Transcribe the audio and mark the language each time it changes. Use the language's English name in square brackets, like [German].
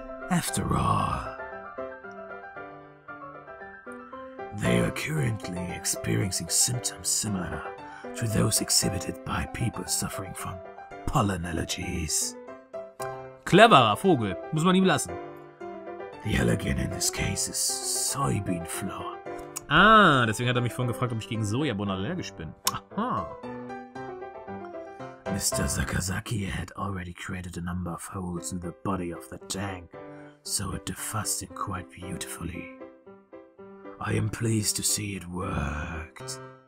[English] After all, they are currently experiencing symptoms similar to those exhibited by people suffering from pollen allergies. [German] cleverer Vogel. Muss man ihm lassen. [English] The elegant in this case is soybean flour. [German] Ah, deswegen hat er mich vorhin gefragt, ob ich gegen Sojabohnen allergisch bin. Aha. [English] Mr. Sakazaki had already created a number of holes in the body of the tank, so it defussed it quite beautifully. I am pleased to see it worked.